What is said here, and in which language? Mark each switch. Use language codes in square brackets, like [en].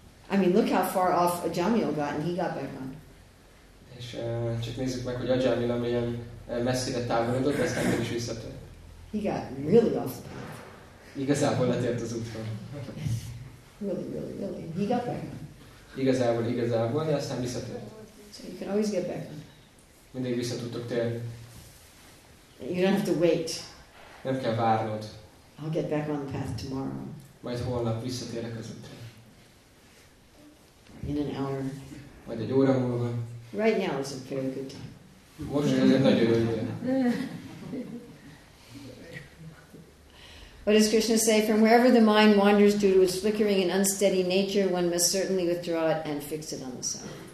[en] I mean, look how far off Ajamil got and he got back on. [hu] És csak nézzük meg, hogy Ajamil amilyen messzire távolodott, ezt nem is visszatért. [en] He got really off the path. [hu] Igazából letért az útról. [en] Really. He got back on. [hu] Igazából, de aztán visszatért. [en] So you can always get back on. [hu] mindig vissza tudtok térni. [en] You don't have to wait. [hu] Nem kell várnod. [en] I'll get back on the path tomorrow. [hu] Majd holnap visszatérek az útra. [en] In an hour. [hu] Majd egy óra múlva. [en] Right now is a very good time. [hu] Most ez egy nagyon jó idő. [en] What does Krishna say? From wherever the mind wanders due to its flickering and unsteady nature, one must certainly withdraw it and fix it on the self.